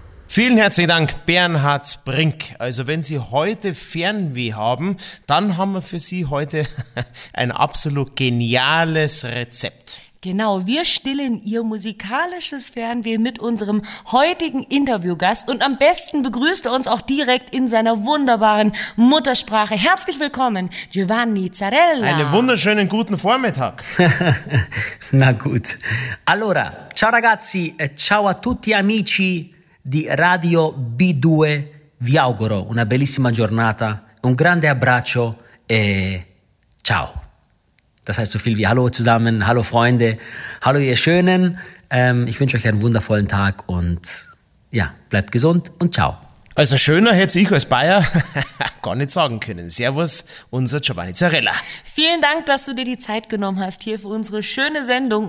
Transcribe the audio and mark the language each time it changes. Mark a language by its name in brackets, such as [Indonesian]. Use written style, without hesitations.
[German] Vielen herzlichen Dank, Bernhard Brink. Also wenn Sie heute Fernweh haben, dann haben wir für Sie heute ein absolut geniales Rezept. Genau, wir stillen Ihr musikalisches Fernweh mit unserem heutigen Interviewgast und am besten begrüßt er uns auch direkt in seiner wunderbaren Muttersprache. Herzlich willkommen, Giovanni Zarella. Einen wunderschönen guten Vormittag. Na gut. [Italian] Allora, ciao ragazzi, ciao a tutti amici di Radio B2, vi auguro una bellissima giornata, un grande abbraccio e ciao. [German] Das heißt so viel wie Hallo zusammen, Hallo Freunde, Hallo ihr Schönen. Ich wünsche euch einen wundervollen Tag und ja, bleibt gesund und ciao. Also schöner hätte ich als Bayer gar nicht sagen können. Servus, unser Giovanni Zarella. Vielen Dank, dass du dir die Zeit genommen hast hier für unsere schöne Sendung.